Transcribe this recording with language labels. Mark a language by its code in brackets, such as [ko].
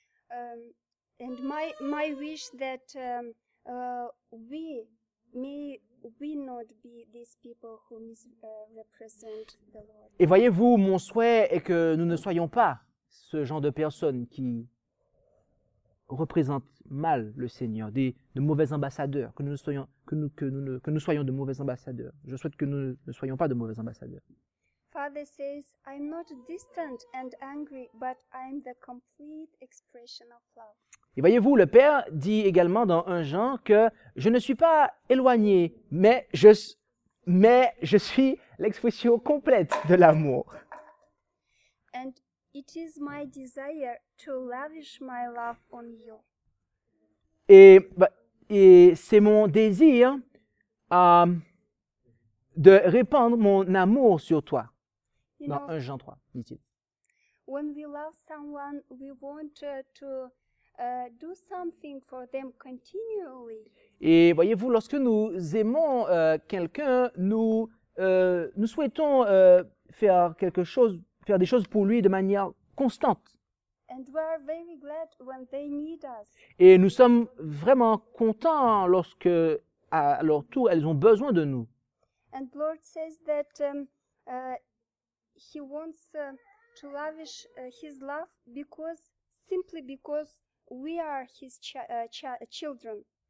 [en] And my wish that we may we not be these people who misrepresent the Lord. [fr] Et voyez-vous, mon souhait est que nous ne soyons pas ce genre de personnes qui représentent mal le Seigneur, de mauvais ambassadeurs, que nous soyons de mauvais ambassadeurs. Je souhaite que nous ne soyons pas de mauvais ambassadeurs. [en] Father says, I'm not distant and angry, but I'm the complete expression of love. [fr] Et voyez-vous, le Père dit également dans 1 Jean que je ne suis pas éloigné, mais je suis l'expression complète de l'amour. [en] And it is my desire to lavish my love on you. [fr] Et c'est mon désir de répandre mon amour sur toi. [en] You [fr] dans know, 1 Jean 3, dit-il. [en] When we love someone, we want to do something for them continually. [fr] Et voyez-vous, lorsque nous aimons quelqu'un, nous souhaitons faire quelque chose, faire des choses pour lui de manière constante. [en] And we are very glad when they need us. [fr] Et nous sommes vraiment contents lorsque, à leur tour, elles ont besoin de nous. [en] And the Lord says that he wants to lavish his love because, simply because we are his children.